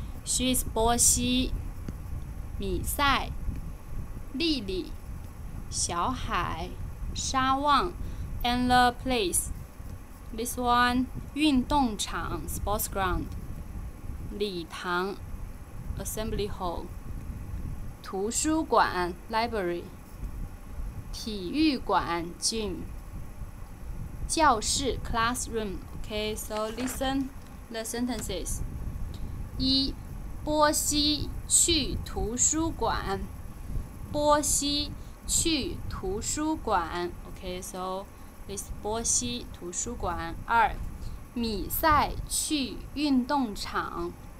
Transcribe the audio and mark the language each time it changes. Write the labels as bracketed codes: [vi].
[en] She is 波西，米塞，莉莉，小海，沙旺， and the place. This one, 运动场 sports ground. 礼堂 assembly hall. 图书馆 library. 体育馆 gym， 教室 classroom。 OK， so listen the sentences. [zh] 一，波西去图书馆。波西去图书馆。 [en] OK， so this 波西图书馆。 [zh] 二，米赛去运动场。